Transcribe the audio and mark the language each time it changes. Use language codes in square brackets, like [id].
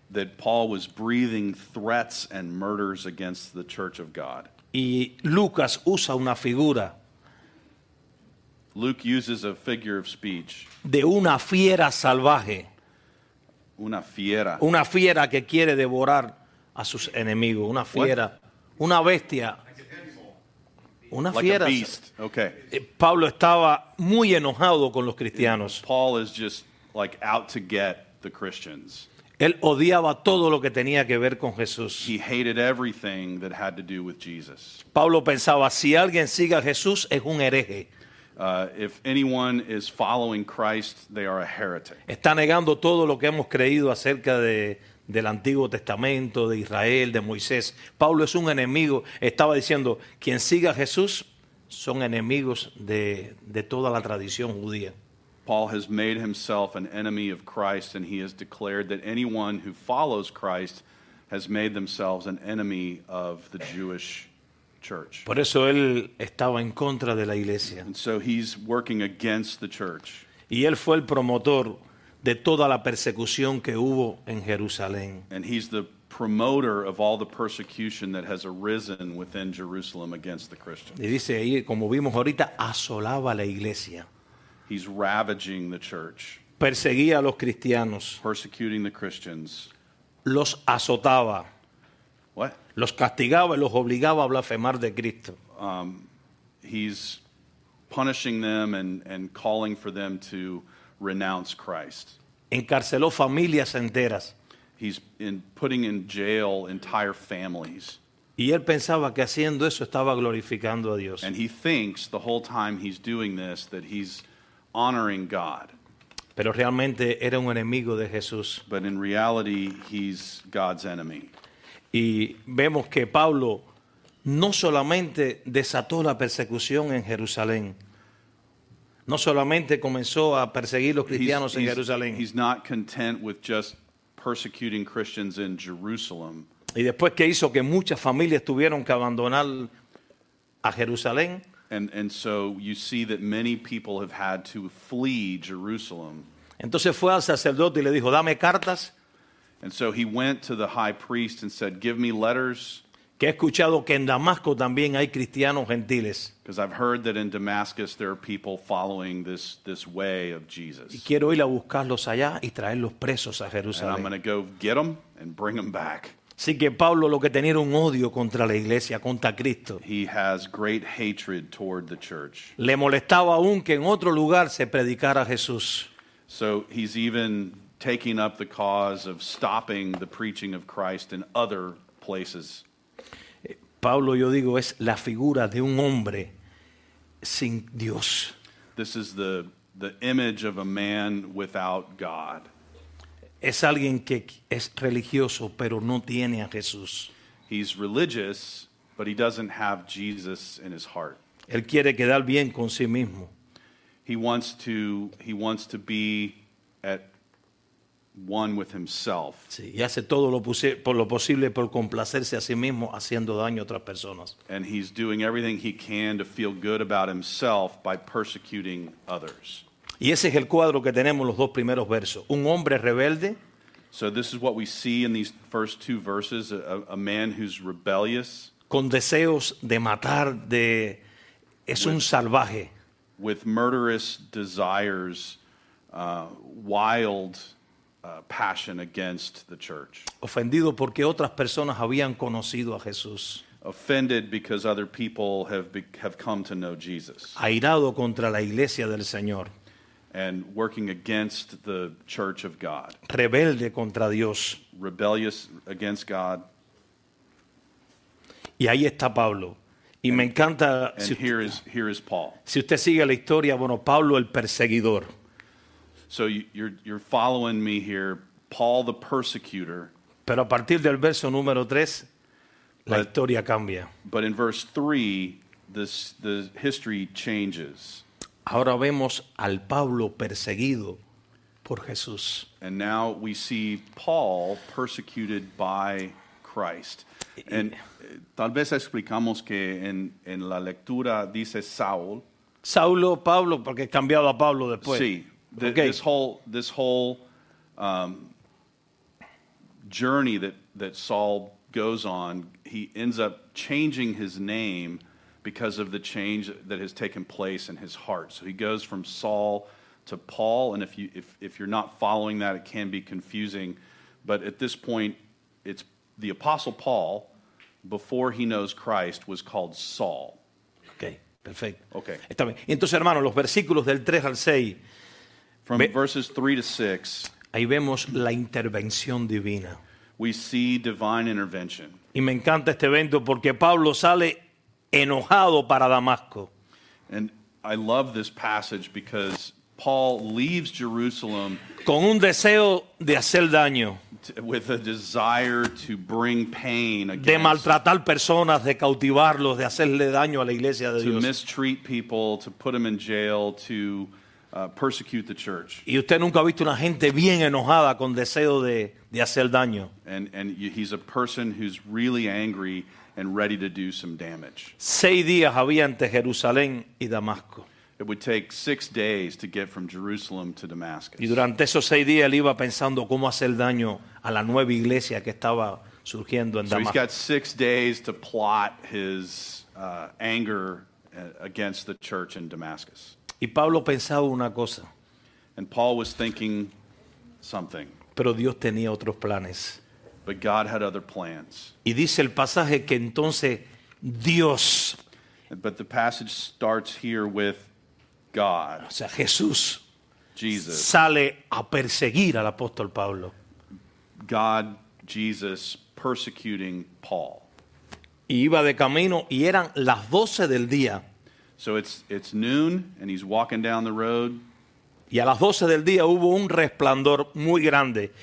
[en] That Paul was breathing threats and murders against the church of God. [es] Y Lucas usa una figura. [en] Luke uses a figure of speech. [es] De una fiera salvaje. Una fiera. Una fiera que quiere devorar a sus enemigos. Una fiera. [en] What? [es] Una bestia. Una [en] like [es] fiera. [en] A beast. Okay. [es] Pablo estaba muy enojado con los cristianos. [en] Paul is just like out to get the Christians. [es] Él odiaba todo lo que tenía que ver con Jesús. [en] He hated everything that had to do with Jesus. [es] Pablo pensaba, si alguien sigue a Jesús, es un hereje. [en] If anyone is following Christ, they are a heretic. [es] Está negando todo lo que hemos creído acerca del Antiguo Testamento, de Israel, de Moisés. Pablo es un enemigo. Estaba diciendo, quien siga a Jesús son enemigos de toda la tradición judía. [en] Paul has made himself an enemy of Christ, and he has declared that anyone who follows Christ has made themselves an enemy of the Jewish church. [es] Por eso él estaba en contra de la iglesia. [en] And so he's working against the church. [es] Y él fue el promotor de toda la persecución que hubo en Jerusalén. [en] And he's the promoter of all the persecution that has arisen within Jerusalem against the Christians. [es] Y dice ahí, como vimos ahorita, asolaba la iglesia. [en] He's ravaging the church. [es] Perseguía a los cristianos. [en] Persecuting the Christians. [es] Los azotaba. [en] What? [es] Los castigaba y los obligaba a blasfemar de Cristo. [en] He's punishing them and calling for them to renounce Christ. [es] Encarceló familias enteras. [en] He's putting in jail entire families. [es] Y él pensaba que haciendo eso estaba glorificando a Dios. [en] And he thinks the whole time he's doing this that he's honoring God. [es] Pero realmente era un enemigo de Jesús. [en] But in reality, he's God's enemy. [es] Y vemos que Pablo no solamente desató la persecución en Jerusalén. No solamente comenzó a perseguir los cristianos en Jerusalén. [en] He's not content with just persecuting Christians in Jerusalem. [es] Y después que hizo que muchas familias tuvieron que abandonar a Jerusalén. [en] And so you see that many people have had to flee Jerusalem. [es] Entonces fue al sacerdote y le dijo, dame cartas. [en] And so he went to the high priest and said, give me letters. [es] Que he escuchado que en Damasco también hay cristianos gentiles. [en] Because I've heard that in Damascus there are people following this way of Jesus. [es] Y quiero ir a buscarlos allá y traerlos presos a Jerusalén. [en] And I'm going to go get them and bring them back. [es] Así que Pablo lo que tenía era un odio contra la iglesia, contra Cristo. [en] He has great hatred toward the church. [es] Le molestaba aún que en otro lugar se predicara Jesús. [en] So he's even taking up the cause of stopping the preaching of Christ in other places. [es] Pablo, yo digo, es la figura de un hombre sin Dios. [en] This is the image of a man without God. [es] Es alguien que es religioso, pero no tiene a Jesús. [en] He's religious, but he doesn't have Jesus in his heart. [es] Él quiere quedar bien con sí mismo. [en] He wants to be at one with himself. [es] Sí, y hace todo lo posible por complacerse a sí mismo, haciendo daño a otras personas. [en] And he's doing everything he can to feel good about himself by persecuting others. [es] Y ese es el cuadro que tenemos los dos primeros versos. Un hombre rebelde. [en] So this is what we see in these first two verses, a man who's rebellious. [es] Con deseos de matar, un salvaje. [en] With murderous desires, wild passion against the church. [es] Ofendido porque otras personas habían conocido a Jesús. [en] Offended because other people have come to know Jesus. [es] Airado contra la iglesia del Señor. [en] And working against the church of God. [es] Rebelde contra Dios. [en] Rebellious against God. [es] Y ahí está Pablo. Y me encanta. [en] Here is Paul. [es] Si usted sigue la historia, bueno, Pablo el perseguidor. [en] So you're following me here, Paul the persecutor. [es] Pero a partir del verso número 3, la historia cambia. [en] But in verse 3, the history changes. [es] Ahora vemos al Pablo perseguido por Jesús. [en] And now we see Paul persecuted by Christ. [es] And tal vez explicamos que en la lectura dice Saul. Saulo, Pablo, porque he cambiado a Pablo después. Sí. Okay. [en] This whole journey that Saul goes on, he ends up changing his name because of the change that has taken place in his heart. So he goes from Saul to Paul, and if you're not following that, it can be confusing. But at this point, it's the Apostle Paul, before he knows Christ, was called Saul. Okay, perfect. Okay. [es] Está bien. Entonces, hermano, los versículos del 3 al 6. [en] From verses 3 to 6. [es] Ahí vemos la intervención divina. [en] We see divine intervention. [es] Y me encanta este evento porque Pablo sale enojado para Damasco. [en] And I love this passage because Paul leaves Jerusalem [es] con un deseo de hacer daño. [en] With a desire to bring pain against, [es] de maltratar personas, de cautivarlos, de hacerle daño a la iglesia de Dios. [en] To mistreat people, to put them in jail, to persecute the church. [es] Y usted nunca ha visto una gente bien enojada con deseo de hacer daño. [en] And he's a person who's really angry and ready to do some damage. [es] 6 días había entre Jerusalén y Damasco. [en] It would take 6 days to get from Jerusalem to Damascus. [es] Y durante esos 6 días él iba pensando cómo hacer daño a la nueva iglesia que estaba surgiendo en Damasco. [en] So he's got 6 days to plot his anger against the church in Damascus. [es] Y Pablo pensaba una cosa. [en] And Paul was thinking something. [es] Pero Dios tenía otros planes. [en] But God had other plans. [es] Y dice el pasaje que entonces Dios. [en] But the passage starts here with God. [es] O sea, Jesús. [en] Jesus. [es] Sale a perseguir al apóstol Pablo. [en] God, Jesus, persecuting Paul. [es] Y iba de camino y eran las 12 del día. [en] So it's noon and he's walking down the road. [es] Y a las 12 del día hubo un resplandor muy grande.